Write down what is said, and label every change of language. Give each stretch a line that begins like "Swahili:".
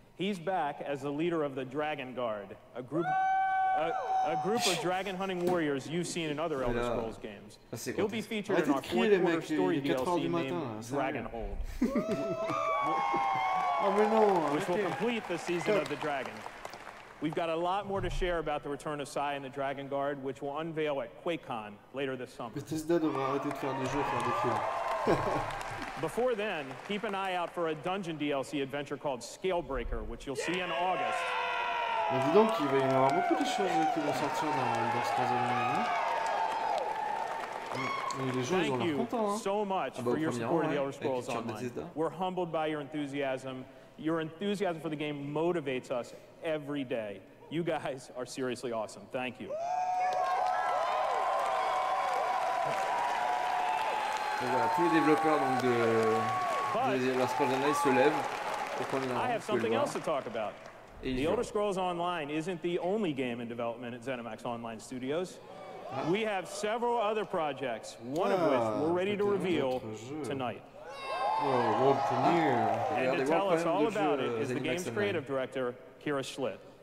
English: He's back as the leader of the Dragon Guard, a group of dragon hunting warriors you've seen in other Elder Scrolls games. He'll be featured in our fourth quarter story DLC named Dragonhold. Which will complete the season of the dragon. We've got a lot more to share about the return of Sai and the Dragon Guard, which we'll unveil at QuakeCon later this summer.
French: Bethesda devrait arrêter de faire des jeux, faire des films.
English: Before then, keep an eye out for a dungeon DLC adventure called Scalebreaker, which you'll see in August.
French: Mais dis donc, il va y avoir beaucoup de choses qui vont sortir dans Elder Scrolls Online. Les gens, ils ont l'air contents.
English: So much for your support of the Elder Scrolls Online. We're humbled by your enthusiasm. Your enthusiasm for the game motivates us every day. You guys are seriously awesome. Thank you.
French: Et voilà, tous les développeurs donc de la Scrolls Online se lèvent pour prendre la parole.
English: The Elder Scrolls Online isn't the only game in development at ZeniMax Online Studios. We have several other projects, one of which we're ready to reveal tonight. World premiere. And to tell us all about it is the game's creative director, Kira Schlitt.